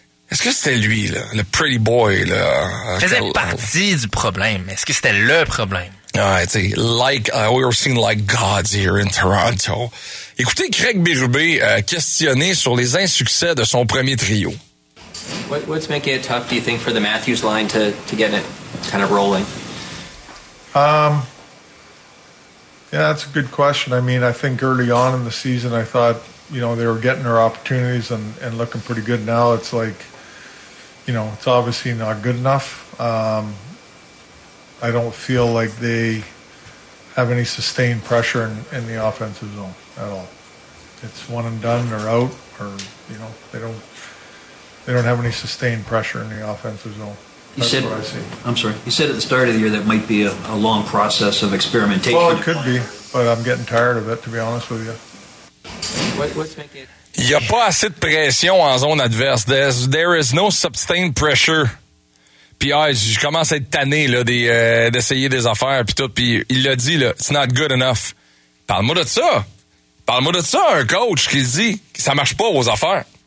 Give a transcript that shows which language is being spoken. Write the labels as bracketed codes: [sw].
[fr] Est-ce que c'était lui, là, le pretty boy, là? Faisait partie du problème. Est-ce que c'était le problème? Ouais, t'sais, [en] like, we were seen like gods here in Toronto. [fr] Écoutez Craig Berube questionner sur les insuccès de son premier trio. [en] What's making it tough, do you think, for the Matthews line to get it kind of rolling? Yeah, that's a good question. I mean, I think early on in the season, I thought, you know, they were getting their opportunities and looking pretty good. Now it's like, you know, it's obviously not good enough. I don't feel like they have any sustained pressure in the offensive zone at all. It's one and done or out, or, you know, they don't have any sustained pressure in the offensive zone. You said at the start of the year that might be a long process of experimentation. Well, it could be, but I'm getting tired of it, to be honest with you. [fr] Il n'y a pas assez de pression en zone adverse. [en] There is no sustained pressure. [fr] Puis je commence à être tanné là, d'essayer des affaires puis tout. Puis il l'a dit, là, [en] it's not good enough. [fr] Parle-moi de ça. Parle-moi de ça, un coach qui dit que ça marche pas aux affaires.